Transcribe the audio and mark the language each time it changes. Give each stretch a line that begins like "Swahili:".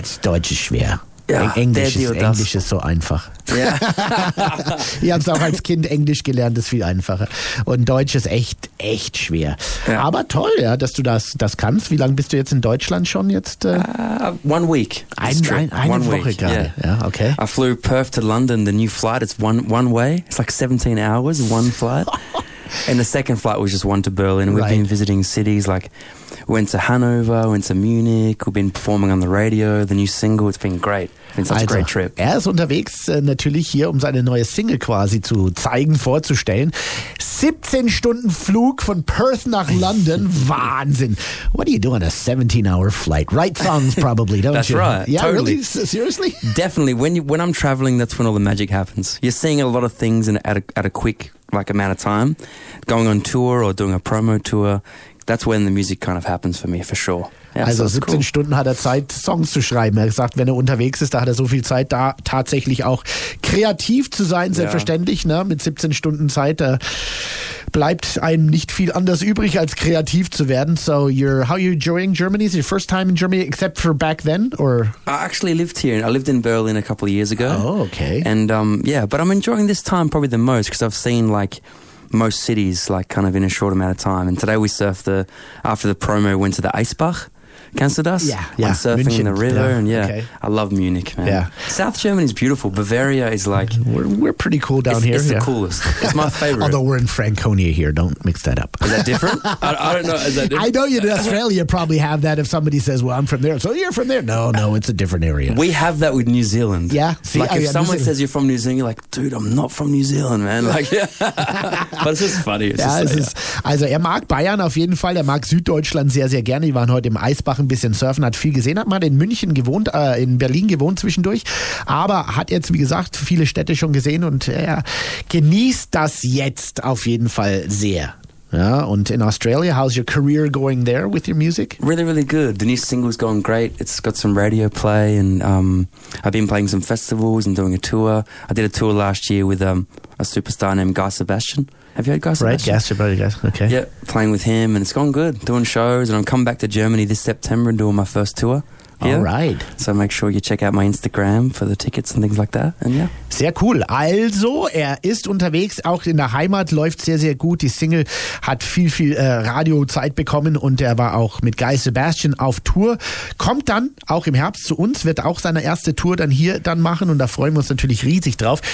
German: Deutsch ist schwer. Ja, Englisch ist so einfach. Ja. Ich habe es auch als Kind Englisch gelernt, ist viel einfacher. Und Deutsch ist echt, echt schwer. Ja. Aber toll, ja, dass du das kannst. Wie lange bist du jetzt in Deutschland schon jetzt?
English: One week.
German: Eine Woche gerade. Okay.
English: I flew Perth to London, the new flight, it's one way. It's like 17 hours, one flight. And the second flight was just one to Berlin. We've been visiting cities like, went to Hanover, went to Munich, we've been performing on the radio, the new single, it's been great. It's been such a great trip.
German: Er ist unterwegs natürlich hier, um seine neue Single quasi zu zeigen, vorzustellen. 17 Stunden Flug von Perth nach London, Wahnsinn.
English: What are you doing, a 17-hour flight? Write songs probably, don't that's you? That's right, yeah, totally. Really? Seriously? Definitely. When I'm traveling, that's when all the magic happens. You're seeing a lot of things at a quick like amount of time, going on tour or doing a promo tour, that's when the music kind of happens for me, for sure. Yeah,
German: also so
English: 17 cool.
German: Stunden hat er Zeit, Songs zu schreiben. Er sagt, wenn er unterwegs ist, da hat er so viel Zeit, da tatsächlich auch kreativ zu sein, selbstverständlich.
English: Yeah.
German: Ne? Mit 17 Stunden Zeit, da bleibt einem nicht viel anders übrig, als kreativ zu werden.
English: So, how are you enjoying Germany? Is it your first time in Germany, except for back then? Or? I actually lived here. I lived in Berlin a couple of years ago. Oh, okay. And yeah, but I'm enjoying this time probably the most, because I've seen like... most cities like kind of in a short amount of time, and today we surfed after the promo went to the Eisbach.
German: Kennst du das?
English: Yeah, went surfing
German: München,
English: in the river and yeah, okay. I love Munich, man. Yeah. South Germany is beautiful. Bavaria is like we're pretty cool down it's, here. It's the coolest. It's my favorite. Although we're in Franconia here, don't mix that up. Is that different? I don't know. Is that different? I know you in Australia probably have that. If somebody says, "Well, I'm from there," so you're from there. No, it's a different area. We have that with New Zealand. Yeah. See, like someone says you're from New Zealand, you're like, "Dude, I'm not from New Zealand, man." Like, yeah. But it's just funny.
German: Also, er mag Bayern auf jeden Fall. Er mag Süddeutschland sehr, sehr gerne. Wir waren heute im Eisbach. Ein bisschen surfen, hat viel gesehen, hat mal in München gewohnt, in Berlin gewohnt zwischendurch, aber hat jetzt, wie gesagt, viele Städte schon gesehen und genießt das jetzt auf jeden Fall sehr. Ja, und in
English: Australia, how's your career going there with your music? Really, really good. The new single's going great. It's got some radio play and I've been playing some festivals and doing a tour. I did a tour last year with a superstar named Guy Sebastian. Have you heard Guy Sebastian? Right, Guy Sebastian, okay. Yeah, playing with him and it's gone good. Doing shows and I'm coming back to Germany this September and doing my first tour. Yeah. All right. So make sure you check out my Instagram for the tickets and things like that. And yeah.
German: Sehr cool. Also, er ist unterwegs, auch in der Heimat, läuft sehr, sehr gut. Die Single hat viel, viel Radiozeit bekommen und er war auch mit Guy Sebastian auf Tour. Kommt dann auch im Herbst zu uns, wird auch seine erste Tour dann hier dann machen und da freuen wir uns natürlich riesig drauf.